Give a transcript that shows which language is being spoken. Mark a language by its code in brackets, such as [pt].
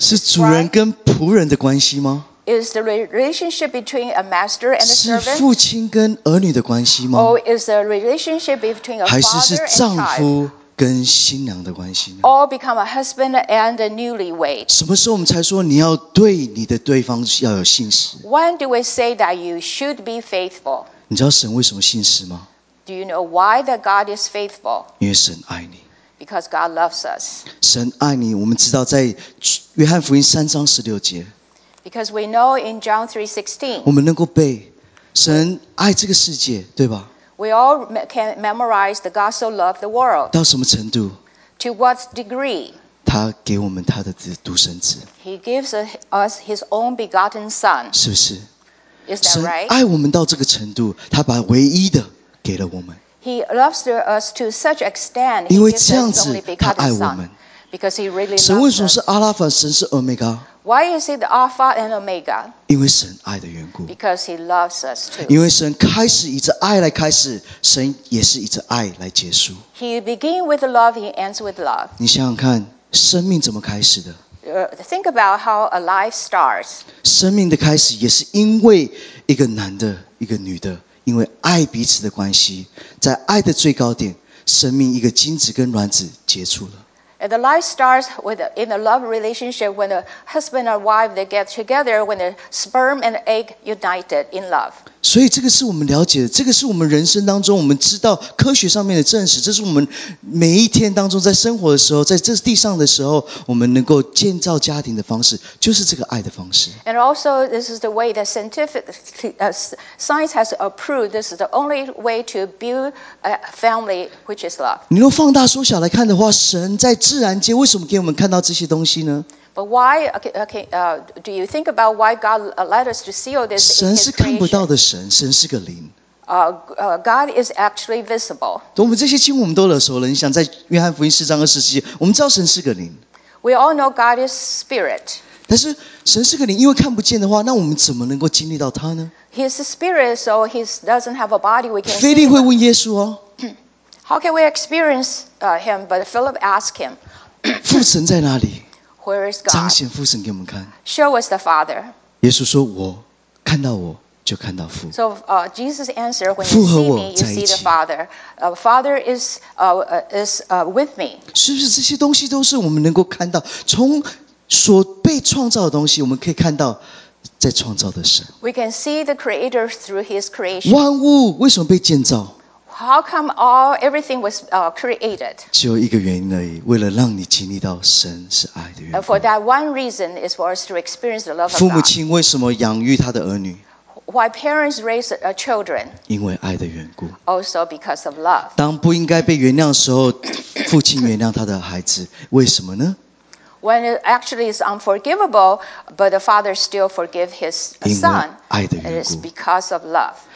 [zh] 是主人跟仆人的关系吗？ [en] Is the relationship between a master and a servant? [zh] 是父亲跟儿女的关系吗？ [en] Or is the relationship between a father and a child? [zh] 还是丈夫跟新娘的关系呢？ [en] All become a husband and a newlywed. [zh] 什么时候我们才说你要对你的对方要有信实？ [en] When do we say that you should be faithful? [zh] 你知道神为什么信实吗？ [en] Do you know why that God is faithful? [zh] 因为神爱你。 [en] Because God loves us. [zh] 神爱你，我们知道在约翰福音三章十六节。 [en] Because we know in John 3:16. [zh] 我们能够背，神爱这个世界，对吧？ [en] We all can memorize the God so loved the world. [zh] 到什么程度？ [en] To what degree? [zh] 他给我们他的独生子。 [en] He gives us his own begotten son. [zh] 是不是？ [en] Is that right? [zh] 神爱我们到这个程度，他把唯一的给了我们。 [en] He loves us to such extent. [zh] 因为这样子，他爱我们。 [en] Because he really loves us. [zh] 神为什么是阿拉法？神是 Omega。 [en] Why is it Alpha and Omega? [zh] 因为神爱的缘故。 [en] Because He loves us too. [zh] 因为神开始以着爱来开始，神也是以着爱来结束。 [en] He begins with love, He ends with love. [zh] 你想想看，生命怎么开始的？ [en] Think about how a life starts. [zh] 生命的开始也是因为一个男的，一个女的，因为爱彼此的关系，在爱的最高点，生命一个精子跟卵子结出了。 [en] And the life starts in a love relationship when a husband and wife they get together when the sperm and egg united in love. [zh] 所以这个是我们了解的，这个是我们人生当中我们知道科学上面的证实，这是我们每一天当中在生活的时候，在这地上的时候，我们能够建造家庭的方式就是这个爱的方式。 [en] And also, this is the way that science has approved. This is the only way to build a family, which is love. [zh] 你若放大缩小来看的话，神在自然界为什么给我们看到这些东西呢？ [en] But why, do you think about why God led us to see all this? [zh] 神是看不到的神，神是个灵。 [en] God is actually visible. [zh] 我们这些经文我们都耳熟了，你想在约翰福音四章二十七节，我们知道神是个灵。 [en] We all know God is spirit. [zh] 但是神是个灵，因为看不见的话，那我们怎么能够经历到他呢？ [en] He's a spirit, so he doesn't have a body. We can. [zh] 腓力会问耶稣哦。 [en] How can we experience him? But Philip asked him. [zh] 父神在哪里？ [en] Where is God? [zh] 彰显父神给我们看。 [en] Show us the Father. [zh] 耶稣说：“我看到我就看到父。” [en] So Jesus answered, "When you see me, you see the Father. Father is with me." [zh] 是不是这些东西都是我们能够看到？从所被创造的东西，我们可以看到在创造的神。 [en] We can see the Creator through His creation. [zh] 万物为什么被建造？ [en] How come all everything was created? [zh] 只有一个原因而已，为了让你经历到神是爱的缘故。 [en] For that one reason is for us to experience the love of God. [zh] 父母亲为什么养育他的儿女？ [en] Why parents raise children? [zh] 因为爱的缘故。 [en] Also because of love. [zh] 当不应该被原谅的时候，父亲原谅他的孩子，为什么呢？ [en] When it actually is unforgivable, but the father still forgive his son, it is because of love.